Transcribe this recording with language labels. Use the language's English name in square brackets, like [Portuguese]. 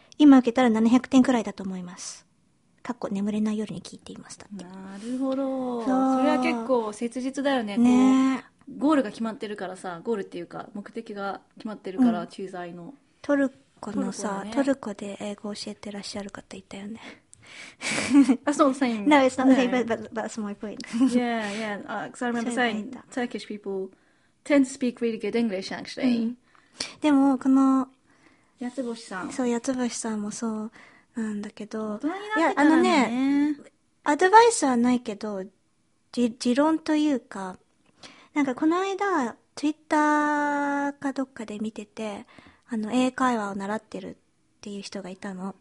[Japanese] 今受けたら700点くらいだと思います。かっこ眠れない夜に聞いていました。なるほど。それは結構切実だよね。ね、ゴールが決まってるからさ、ゴールっていうか目的が決まってるから、うん、駐在の。トルコのさ、トルコで英語教えてらっしゃる方いたよね。 [English] That's not the same. No, it's not the same, but that's my point. Yeah, yeah. Because I remember saying Turkish people tend to speak really good English, actually. [Japanese] でもこの八つ星さん、そう、八つ星さんもそうなんだけど、いや、あのね、アドバイスはないけど、持論というか、なんかこの間 Twitter かどっかで見てて、あの英会話を習ってるっていう人がいたの。